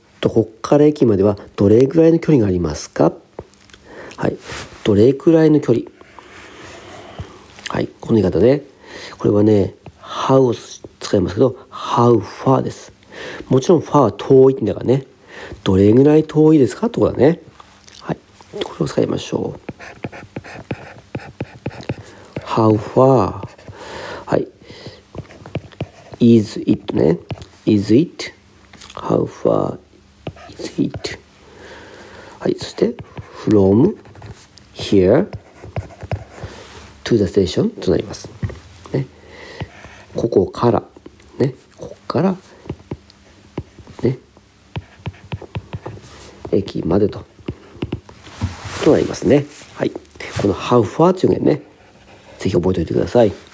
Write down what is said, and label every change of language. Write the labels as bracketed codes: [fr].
[ja] ここから駅まではどれくらいの距離がありますか。はい、どれくらいの距離、はい、この言い方ね、これはね、how を使いますけど、 [en] how far [ja] です。もちろん far は遠いんだからね、どれぐらい遠いですかってことだね。はい、これを使いましょう。 [en] how far、 はい、is it ね、 is it、 how far is it、 はい、 [ja] そして [en] from here to the station [ja] となりますね。ここからね、ここから駅までととなりますね。はい、この How far という言葉ね、ぜひ覚えておいてください。